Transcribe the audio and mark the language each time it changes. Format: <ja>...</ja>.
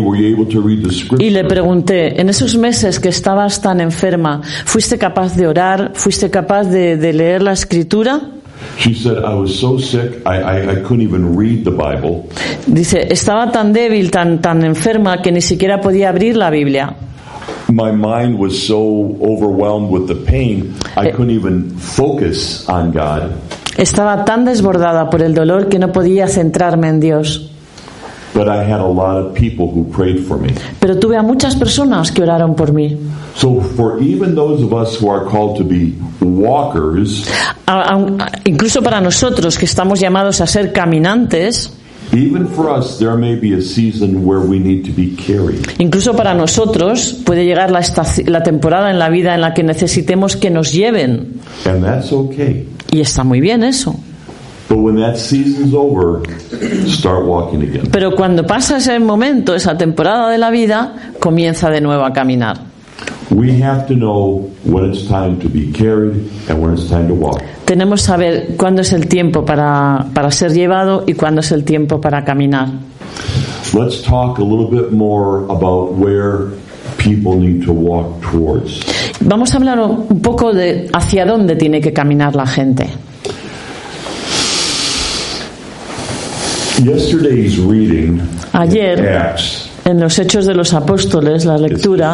<en>Were you able to read the scripture?</en> <es>Y le pregunté, en esos meses que estabas tan enferma, ¿fuiste capaz de orar? ¿Fuiste capaz de leer la escritura?</es> <en>She said, I was so sick, I couldn't even read the Bible.</en> <es>Dice, estaba tan débil, tan enferma que ni siquiera podía abrir la Biblia.</es> <en>My mind was so overwhelmed with the pain, I couldn't even focus on God.</en> <es>Estaba tan desbordada por el dolor que no podía centrarme en Dios.</es> <en>But I had a lot of people who prayed for me.</en> <es>Pero tuve a muchas personas que oraron por mí.</es> <en>So for even those of us who are called to be walkers,</en> <es>incluso para nosotros que estamos llamados a ser caminantes,</es> <en>even for us there may be a season where we need to be carried.</en> <es>Incluso para nosotros puede llegar la temporada en la vida en la que necesitemos que nos lleven.</es> <en>And that's okay.</en> <es>Y está muy bien eso.</es> <en>But when that season's over, start walking again.</en> <es>Pero cuando pasa ese momento, esa temporada de la vida, comienza de nuevo a caminar.</es> <en>We have to know when it's time to be carried and when it's time to walk.</en> <es>Tenemos que saber cuándo es el tiempo para ser llevado y cuándo es el tiempo para caminar.</es> <en>Let's talk a little bit more about where people need to walk towards.</en> <es>Vamos a hablar un poco de hacia dónde tiene que caminar la gente.</es> <en>Yesterday's reading,</en> <es>ayer,</es> <en>in Acts,</en> <es>en los Hechos de los Apóstoles, la lectura,</es>